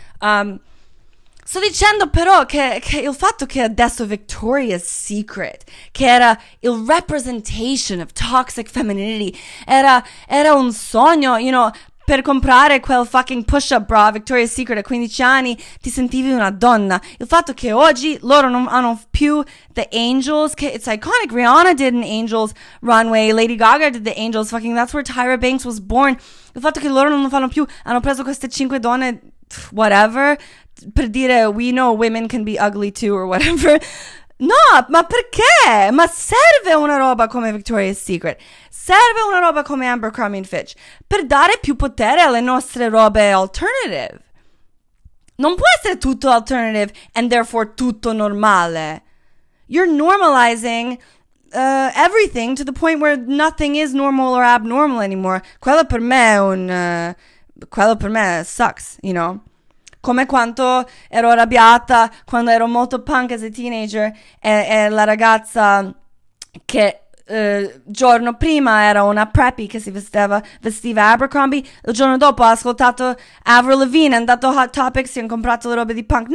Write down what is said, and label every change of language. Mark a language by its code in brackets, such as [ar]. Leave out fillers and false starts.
[it] Sto dicendo però che il fatto che adesso Victoria's Secret, che era il [en] representation of toxic femininity, [it] era un sogno, [en] you know, [it] per comprare quel [en] fucking push-up bra [it] Victoria's Secret a 15 anni ti sentivi una donna. Il fatto che oggi loro non hanno più [en] the Angels, [it] che [en] it's iconic. Rihanna did an Angels runway, Lady Gaga did the Angels, fucking that's where Tyra Banks was born. [it] Il fatto che loro non lo fanno più, hanno preso queste 5 donne, whatever, per dire [en] we know women can be ugly too or whatever. [it] No, ma perché? Ma serve una roba come Victoria's Secret? Serve una roba come Abercrombie & Fitch? Per dare più potere alle nostre robe alternative. Non può essere tutto [en] alternative and therefore [it] tutto normale. [en] You're normalizing everything to the point where nothing is normal or abnormal anymore. [it] Quello per me è un... quello per me [en] sucks, you know? [it] Come quanto ero arrabbiata quando ero molto punk [en] as a teenager [it] e la ragazza che giorno prima era una preppy che si vestiva Abercrombie, il giorno dopo ha ascoltato Avril Lavigne, è andato a Hot Topic, si è comprato le robe di punk.